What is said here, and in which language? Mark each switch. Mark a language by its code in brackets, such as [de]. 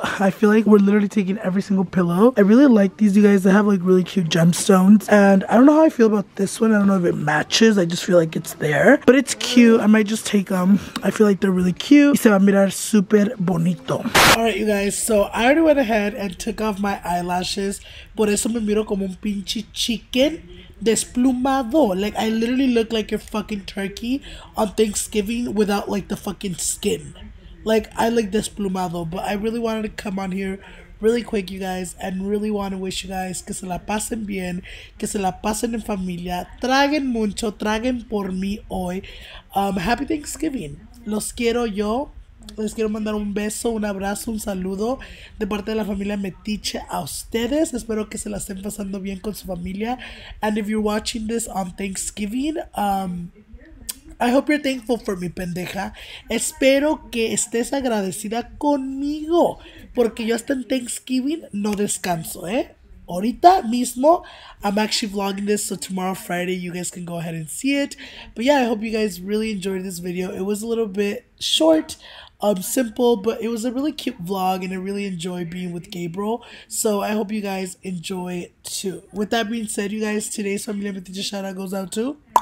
[en] I feel like we're literally taking every single pillow. I really like these, you guys. They have like really cute gemstones. And I don't know how I feel about this one. I don't know if it matches. I just feel like it's there. But it's cute. I might just take them. I feel like they're really cute. [es] Y se va a mirar super bonito. [en] All right, you guys. So I already went ahead and took off my eyelashes. [es] Por eso me miro como un pinche chicken. [en] Desplumado, like I literally look like your fucking turkey on Thanksgiving without like the fucking skin. Like I like desplumado, but I really wanted to come on here really quick, you guys, and really want to wish you guys [es] que se la pasen bien, que se la pasen en familia, traguen mucho, traguen por mí hoy. [en] Happy Thanksgiving. [es] Los quiero yo. Les quiero mandar un beso, un abrazo, un saludo de parte de la familia Metiche a ustedes. Espero que se la estén pasando bien con su familia. [en] And if you're watching this on Thanksgiving, I hope you're thankful for me, pendeja. [es] Espero que estés agradecida conmigo, porque yo hasta en Thanksgiving no descanso, ¿eh? Ahorita mismo, [en] I'm actually vlogging this, so tomorrow, Friday, you guys can go ahead and see it. But yeah, I hope you guys really enjoyed this video. It was a little bit short, simple, but it was a really cute vlog, and I really enjoyed being with Gabriel. So I hope you guys enjoy too. With that being said, you guys, today's Familia Metiche shout out goes out to...